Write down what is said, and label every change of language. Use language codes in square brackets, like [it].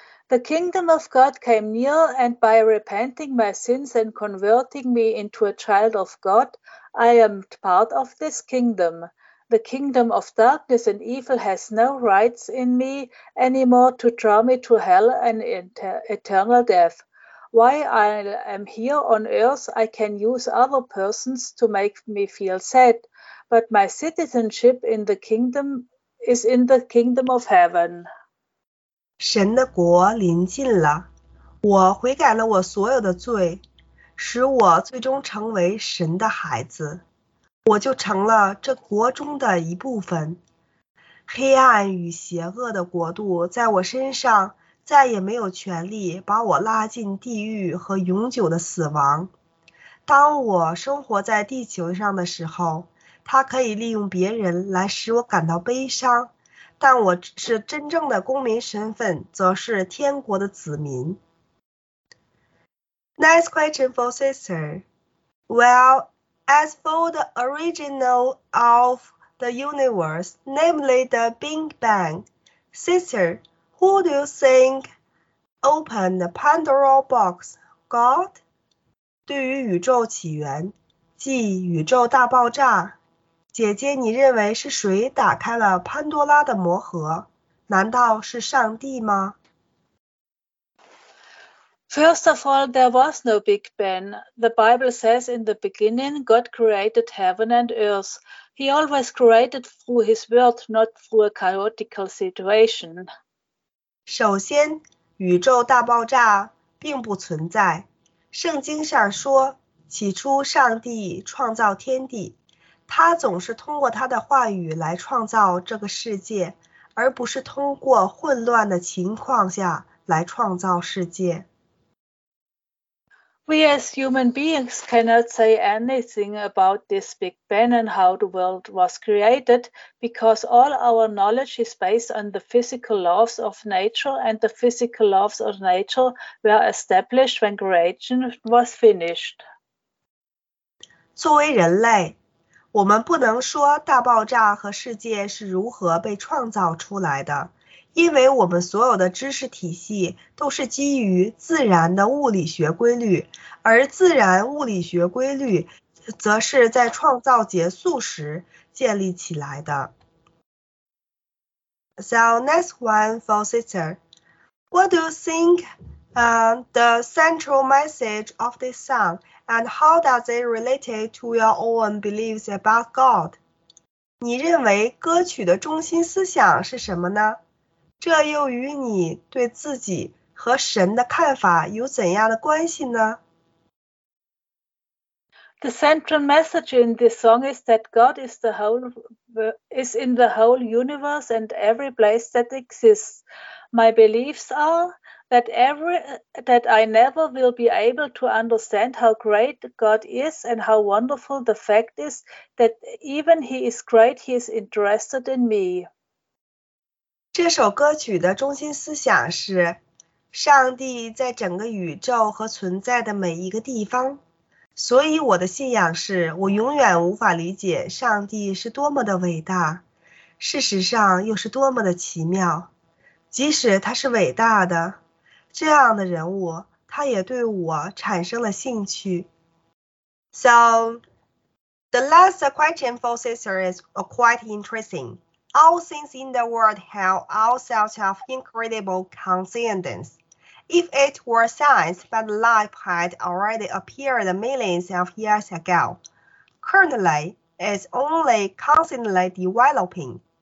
[en] The kingdom of God came near, and by repenting my sins and converting me into a child of God, I am part of this kingdom. The kingdom of darkness and evil has no rights in me anymore to draw me to hell and eternal death. While I am here on earth, I can use other persons to make me feel sad, but my citizenship in the kingdom is in the kingdom of heaven. [zh] 神的国临近了，我悔改了我所有的罪，使我最终成为神的孩子。我就成了这国中的一部分，黑暗与邪恶的国度在我身上再也没有权利把我拉进地狱和永久的死亡。当我生活在地球上的时候，它可以利用别人来使我感到悲伤，但我是真正的公民身份，则是天国的子民。 [en] Next question for sister. Well,As for the original of the universe, namely the Big Bang, sister, who do you think opened the Pandora box? God? [zh] 对于宇宙起源，即宇宙大爆炸，姐姐，你认为是谁打开了潘多拉的魔盒？难道是上帝吗？ [en] First of all, there was no Big Ben. The Bible says in the beginning, God created heaven and earth. He always created through his word, not through a chaotical situation. [zh] 首先，宇宙大爆炸并不存在。圣经上说，起初上帝创造天地，他总是通过他的话语来创造这个世界，而不是通过混乱的情况下来创造世界。 [en] We as human beings cannot say anything about this Big Bang and how the world was created because all our knowledge is based on the physical laws of nature and the physical laws of nature were established when creation was finished. [zh] 作为人类，我们不能说大爆炸和世界是如何被创造出来的，因为我们所有的知识体系都是基于自然的物理学规律，而自然物理学规律则是在创造结束时建立起来的。 [en] So next one for sister, what do you think the central message of this song and how does it relate to your own beliefs about God? [zh] 你认为歌曲的中心思想是什么呢？这又与你对自己和神的看法有怎样的关系呢？ [en] The central message in this song is that God is in the whole universe and every place that exists. My beliefs are that I never will be able to understand how great God is and how wonderful the fact is that even He is great, He is interested in me. [zh] 这首歌曲的中心思想是，上帝在整个宇宙和存在的每一个地方。所以我的信仰是，我永远无法理解上帝是多么的伟大，事实上又是多么的奇妙。即使他是伟大的，这样的人物，他也对我产生了兴趣。 [en] So, the last question for sister is quite interesting. All things in the world have all sorts of incredible coincidence. If it were science, but life had already appeared millions of years ago, currently it's only constantly developing.